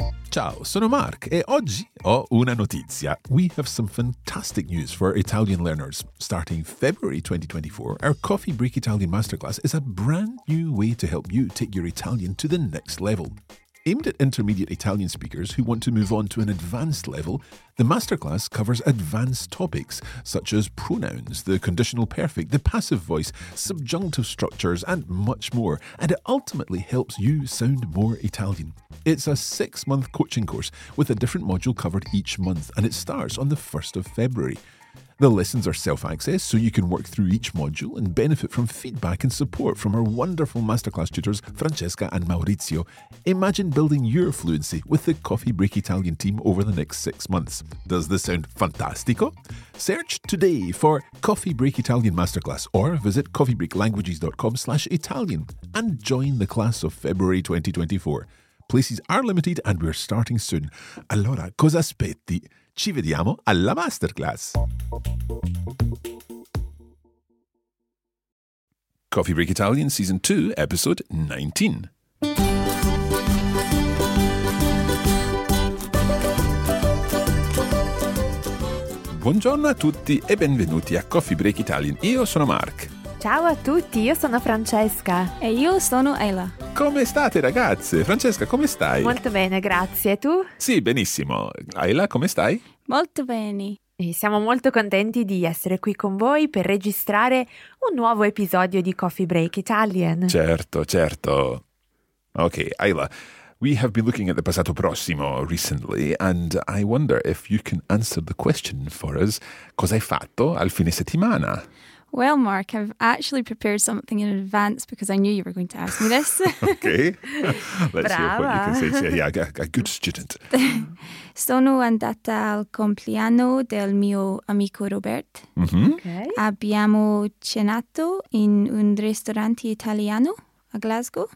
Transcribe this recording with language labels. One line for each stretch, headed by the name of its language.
Italian: Ciao, sono Mark e oggi ho una notizia.
English: We have some fantastic news for Italian learners. Starting February 2024, our Coffee Break Italian Masterclass is a brand new way to help you take your Italian to the next level. Aimed at intermediate Italian speakers who want to move on to an advanced level, the masterclass covers advanced topics such as pronouns, the conditional perfect, the passive voice, subjunctive structures, and much more, and it ultimately helps you sound more Italian. It's a six-month coaching course with a different module covered each month, and it starts on the 1st of February. The lessons are self-access, so you can work through each module and benefit from feedback and support from our wonderful masterclass tutors, Francesca and Maurizio. Imagine building your fluency with the Coffee Break Italian team over the next 6 months. Does this sound fantastico? Search today for Coffee Break Italian Masterclass or visit coffeebreaklanguages.com/Italian and join the class of February 2024. Places are limited and we're starting soon.
Italian: Allora, cosa aspetti? Ci vediamo alla masterclass.
English: Coffee Break Italian Season 2, Episode 19.
Italian: Buongiorno a tutti e benvenuti a Coffee Break Italian. Io sono Mark. Ciao a tutti, io sono Francesca. E io sono Ella. Come state ragazze? Francesca, come stai? Molto bene, grazie. E tu? Sì, benissimo. Ella, come stai? Molto bene. E siamo molto contenti di essere qui con voi per registrare un nuovo episodio di Coffee Break Italian. Certo, certo.
English: Ok, Ella, we have been looking at the passato prossimo recently and I wonder if you can answer the question for us.
Italian: Cosa hai fatto al fine settimana?
English: Well, Mark, I've actually prepared something in advance because I knew you were going to ask me this. Okay. Let's
Italian: Brava.
English: See what you can say. Yeah, a good student.
Italian: Sono andata al compleanno del mio amico Robert. Mm-hmm.
English: Okay.
Italian: Abbiamo cenato in un ristorante italiano a Glasgow.